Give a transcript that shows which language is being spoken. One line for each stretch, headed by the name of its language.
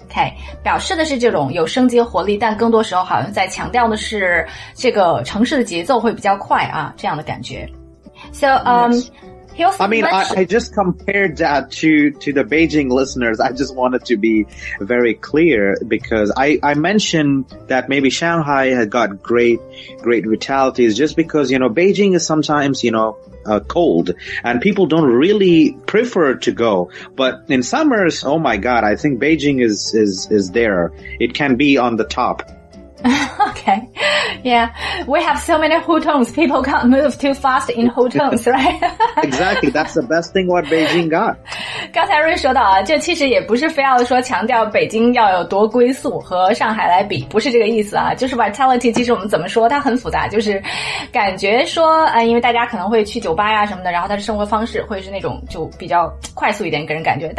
Chinese: Okay, 表示的是这种有生机活力，但更多时候好像在强调的是这个城市的节奏会比较快啊，这样的感觉。
English: So, yes. I mean, I just compared that to the Beijing listeners. I just wanted to be very clear because I mentioned that maybe Shanghai had got great vitalities just because, you know, Beijing is sometimes, you know, cold and people don't really prefer to go. But in summers, oh my God, I think Beijing is there. It can be on the top. Okay, yeah, we have so many hutongs, people can't move too fast in hutongs, right? Exactly, that's the best thing what Beijing got.
Chinese: 刚才瑞说到啊，这其实也不是非要说强调北京要有多龟速和上海来比，不是这个意思啊，就是 vitality 其实我们怎么说它很复杂，就是感觉说、因为大家可能会去酒吧呀、什么的，然后它的生活方式会是那种就比较快速一点给人感觉。